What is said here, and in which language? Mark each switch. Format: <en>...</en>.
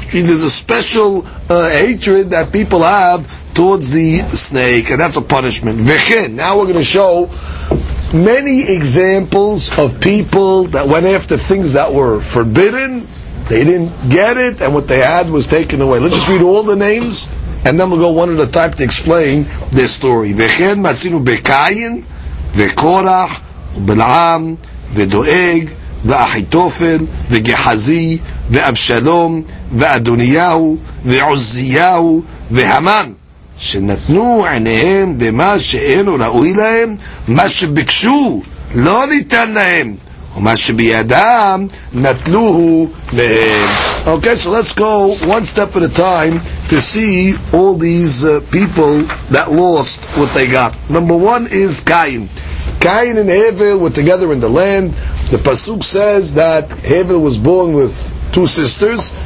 <en>There's a special hatred that people have towards the snake, and that's a punishment. Vechen, now we're going to show many examples of people that went after things that were forbidden. They didn't get it, and what they had was taken away. Let's just read all the names, and then we'll go one at a time to explain this story.</en> <he>Vechen matzinu bekayin, vekorach, ובלעם, ודואג, ואחיתופל, וגחזי, ואבשלום, ואדוניהו, ועוזיהו, והמן, שנתנו עיניהם במה שאינו ראוי להם, מה שביקשו לא ניתן להם, ומה שבידם נטלוהו מהם.</he> <en>Okay, so let's go one step at a time to see all these people that lost what they got. Number one is Cain. Cain and Hevel were together in the land. The Pasuk says that Hevel was born with two sisters.</en>